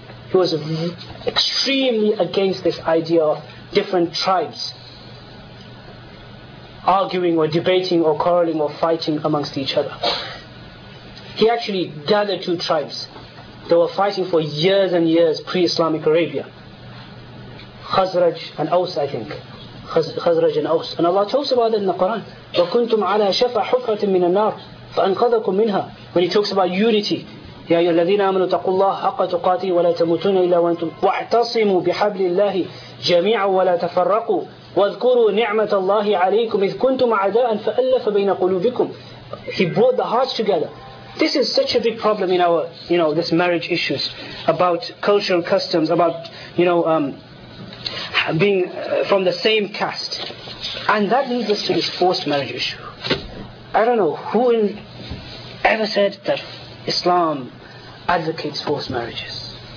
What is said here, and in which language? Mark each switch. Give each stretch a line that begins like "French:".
English: He was extremely against this idea of different tribes arguing or debating or quarreling or fighting amongst each other. He actually gathered two tribes that were fighting for years and years pre-Islamic Arabia. Khazraj and Aus, I think. Khazraj and Aus. And Allah talks about that in the Quran.
Arabic: وَكُنْتُمْ عَلَىٰ شَفَى حُفْرَةٍ مِّنَ النَّارِ فَأَنْقَذَكُمْ مِنْهَا.
English: When he talks about unity,
Arabic: يَا أَيُّهَا الَّذِينَ آمَنُوا اتَّقُوا اللَّهَ حَقَّ تُقَاتِهِ وَلَا تَمُوتُنَّ إِلَّا وَأَنْتُمْ وَاعْتَصِمُوا بِحَبْلِ اللَّهِ جَمِيعًا وَلَا تَفَرَّقُوا وَاذْكُرُوا نِعْمَةَ اللَّهِ عَلَيْكُمْ إِذْ كُنْتُمْ عَدَاءً فَأَلَّفَ بَيْنَ قُلُوبِكُمْ.
English: He brought the hearts together. This is such a big problem in our, you know, this marriage issues about cultural customs, about, you know, being from the same caste. And that leads us to this forced marriage issue. I don't know who ever said that Islam advocates forced marriages.